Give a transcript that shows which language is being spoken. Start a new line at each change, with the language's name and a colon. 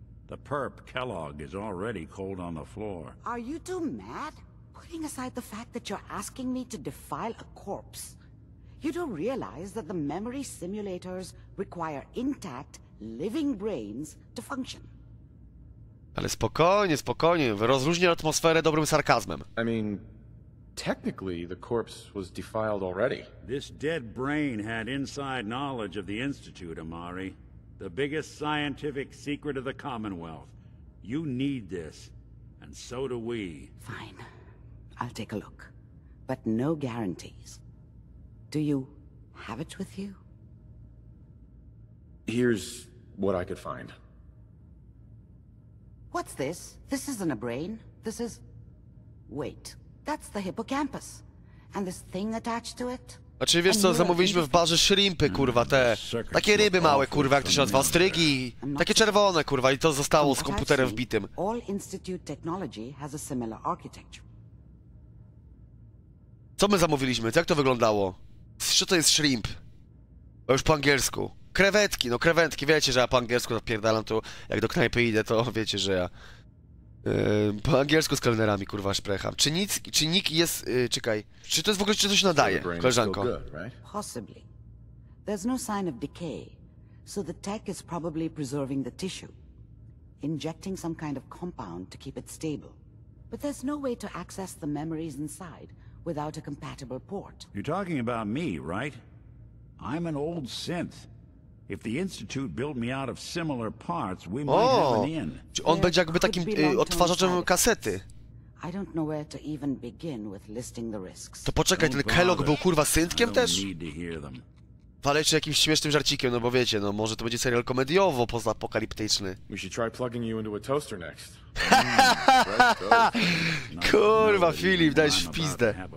English: The perp, Kellogg, is already cold on the floor. Are you too mad? Putting aside the fact that you're asking me to defile a corpse, you don't realize that the memory simulators require intact, living brains to function.
Polish: Ale spokojnie, spokojnie. Rozluźnij atmosferę dobrym sarkazmem.
English: I mean, technically, the corpse was defiled already. This dead brain had inside knowledge of the Institute, Amari. The biggest scientific secret of the Commonwealth. You need this, and so do we. Fine. I'll take a look. But no guarantees. Do you have it with you? Here's what I could find. What's this? This isn't a brain. This is... Wait. That's the hippocampus. And this thing attached to it?
Polish: A czy wiesz co, zamówiliśmy w barze shrimpy, kurwa, te... Takie ryby małe, kurwa, jak to się nazywa, ostrygi. Takie czerwone, kurwa, i to zostało z komputerem wbitym.
English: All Institute technology has a similar architecture.
Polish: Co my zamówiliśmy? Jak to wyglądało? Co to jest shrimp? Bo już po angielsku. Krewetki, no krewetki, wiecie, że ja po angielsku zapierdalam tu, jak do knajpy idę, to wiecie, że ja... po angielsku z kelnerami, kurwa, szprecham. Czy nic, czy nik jest, czekaj, czy to jest w ogóle, czy to się nadaje, koleżanko?
English: Possibly. There's no sign of decay, so the tech is probably preserving the tissue, injecting some kind of compound to keep it stable. But there's no way to access the memories inside without a compatible port. You're talking about me, right? I'm an old synth. If the Institute built me out of similar parts, we might have an in.
Polish: On będzie jakby takim odtwarzaczem kasety.
English: I don't know where to even begin with listing the risks.
Polish: To poczekaj, ten Kellogg był kurwa syntkiem też? Ale jeszcze jakimś śmiesznym żarcikiem, no bo wiecie, no może to będzie serial komediowo postapokaliptyczny.
English: We should try plugging you into a toaster next.
Polish: Kurwa, Filip, dajesz w pizdę.